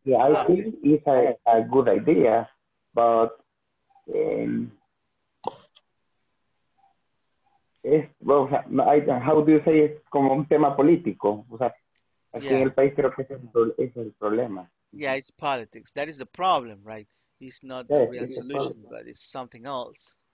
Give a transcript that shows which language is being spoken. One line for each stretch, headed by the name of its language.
English: I think it's a good idea, but
Spanish: es,
English: well, how do you say it?
Spanish: Como un tema político, o sea, aquí en el país creo que es el problema.
English: Yeah, it's politics. That is the problem, right? It's not the real solution, but it's something else.